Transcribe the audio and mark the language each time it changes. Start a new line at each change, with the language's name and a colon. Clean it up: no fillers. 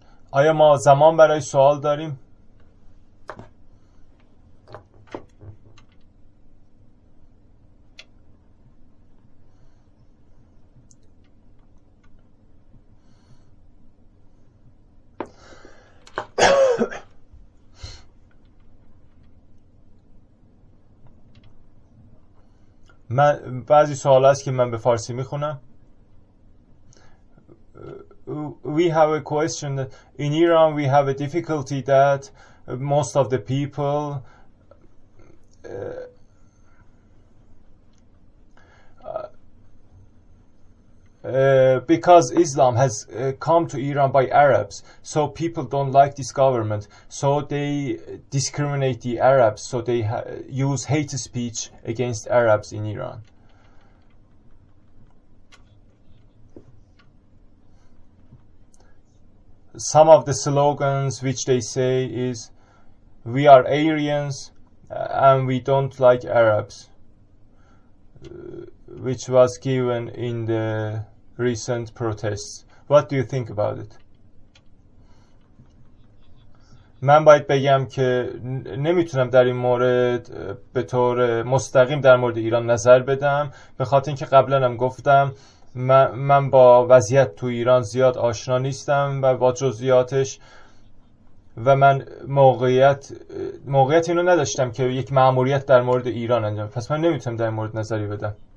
Persian: آیا ما زمان برای سوال داریم؟ من بعضی سوال هست که من به فارسی میخونم.
English: We have a question that in Iran we have a difficulty that most of the people because Islam has come to Iran by Arabs, so people don't like this government, so they discriminate the Arabs, so they use hate speech against Arabs in Iran. Some of the slogans which they say is, we are Aryans and we don't like Arabs, which was given in the recent protests. What do you think about it?
Persian: من باید بگم که نمیتونم در این مورد به طور مستقیم در مورد ایران نظر بدم، به خاطر اینکه قبلا هم گفتم من با وضعیت تو ایران زیاد آشنا نیستم و با جزئیاتش، و من موقعیت اینو نداشتم که یک مأموریت در مورد ایران انجام، پس من نمیتونم در این مورد نظری بدم.